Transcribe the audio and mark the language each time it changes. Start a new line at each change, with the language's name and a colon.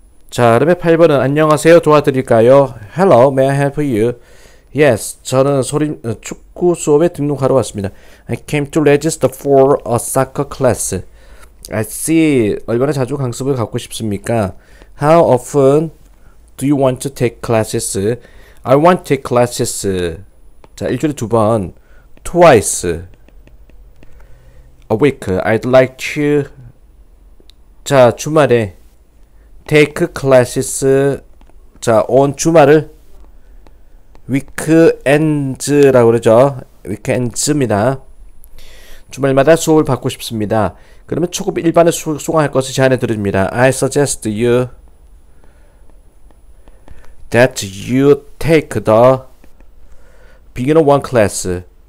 Korean: 자, 그러면 8번은 안녕하세요. 도와드릴까요?
English: Hello, may I help you? Yes,
Korean: 저는 축구 수업에 등록하러 왔습니다.
English: I came to register for a soccer class. I see.
Korean: 얼마나 자주 강습을 갖고 싶습니까?
English: How often Do you want to take classes? I want to take classes.
Korean: 자, 일주일에 두 번.
English: Twice. A week. I'd like to.
Korean: 자, 주말에
English: take classes.
Korean: 자, 온 주말을 weekends라고 그러죠. Weekends입니다. 주말마다 수업을 받고 싶습니다. 그러면 초급 일반에 수강할 것을 제안해 드립니다.
English: I suggest you that you take the beginner one class.